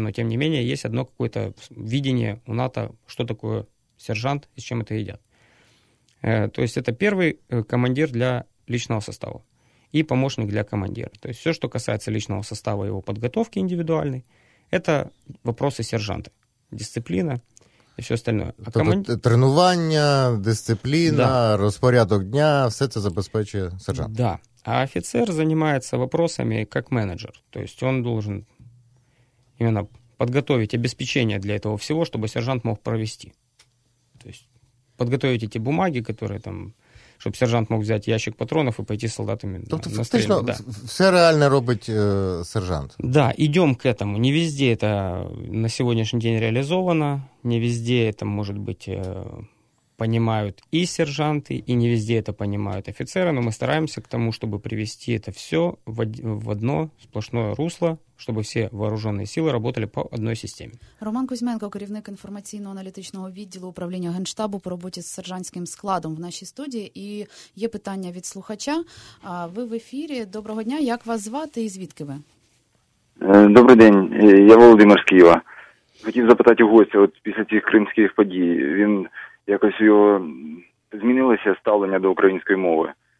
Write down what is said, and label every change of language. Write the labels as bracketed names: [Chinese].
[Russian] Но, тем не менее, есть одно какое-то видение у НАТО, что такое сержант и с чем это едят. То есть это первый командир для личного состава и помощник для командира. То есть все, что касается личного состава, его подготовки индивидуальной, это вопросы сержанта, дисциплина. [Ukrainian] І все остальное. А тренування, дисципліна, да. Розпорядок дня, все це забезпечує сержант. [Russian] Да. [Ukrainian] А офіцер займається вопросами як менеджер. Тобто він должен именно підготовити обеспечення [Russian] для этого всего, [Ukrainian] щоб сержант мог провести. Тобто підготовити ті бумаги, які там, щоб сержант мог взяти ящик патронів і пойти з солдатами. Тобто фактично да. Все реально робить сержант. Да, йдемо [Russian] к этому. Не везде это на сегодняшний день реализовано. Не везде это, может быть, понимают и сержанты, и не везде это понимают офицеры, но мы стараемся к тому, чтобы привести это все в одно сплошное русло, чтобы все вооруженные силы работали по одной системе. [Ukrainian] Роман Кузьменко, керівник інформаційно-аналітичного відділу управління Генштабу по роботі з сержантським складом в нашій студії. І є питання від слухача. Ви в ефірі. Доброго дня. Як вас звати і звідки ви? Добрий день. Я Володимир з Києва. Хотів запитати у гостя, от після цих кримських подій, він якось його змінилося ставлення до української мови.